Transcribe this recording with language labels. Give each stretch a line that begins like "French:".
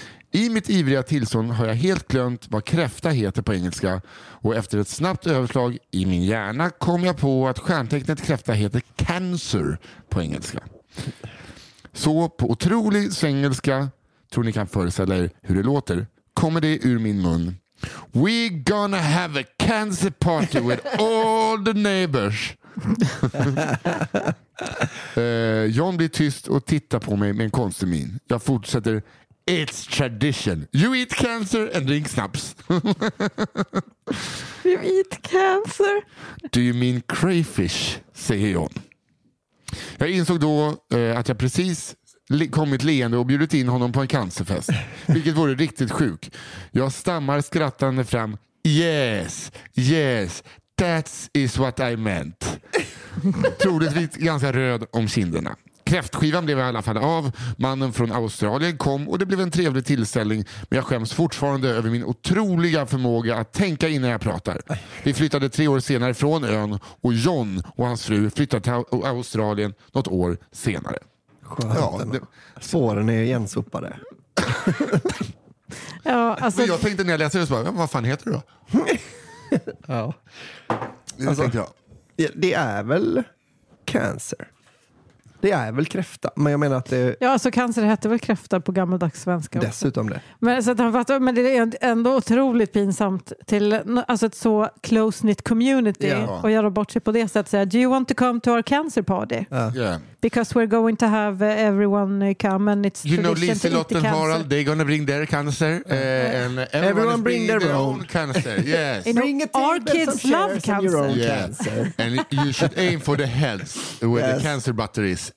Swedish: I mitt ivriga tillstånd har jag helt glömt vad kräfta heter på engelska och efter ett snabbt överslag i min hjärna kom jag på att stjärntecknet kräfta heter cancer på engelska. Så på otrolig svengelska, tror ni kan föreställa er hur det låter, kommer det ur min mun.
English: We gonna have a cancer party with all the neighbors.
Swedish: John blir tyst och tittar på mig med en konstig min. Jag fortsätter.
English: It's tradition. You eat cancer and drink snaps. You eat cancer. Do you mean crayfish?
Swedish: Säger John. Jag insåg då att jag precis kommit leende och bjudit in honom på en cancerfest, vilket vore riktigt sjuk. Jag stammar skrattande fram.
English: Yes, yes, that is what I meant.
Swedish: Troligtvis ganska röd om kinderna. Kräftskivan blev i alla fall av. Mannen från Australien kom och det blev en trevlig tillställning. Men jag skäms fortfarande över min otroliga förmåga att tänka innan jag pratar. Vi flyttade 3 år senare från ön och John och hans fru flyttade till Australien något år senare. Skönt. Ja, spåren är igensopade. Ja, alltså... Men jag tänkte när jag läste det så bara, vad fan heter du då? Ja. Alltså, tänkte jag. Det är väl cancer. Det är väl kräfta, men jag menar att det... Ja, alltså cancer heter väl kräfta på gammaldags svenska. Dessutom det. Men, så att han fattar, men det är ändå otroligt pinsamt till alltså ett så close-knit community. Ja. Och göra bort sig på det sättet.
English: Do you want to come to our cancer party? Ja. Yeah. because we're going to have everyone come and it's you know Liselott and Harald, they're gonna bring their cancer and everyone bring their own cancer. Yes, bring a our kids love cancer. Your own cancer. And you should aim for the heads where the cancer butter is.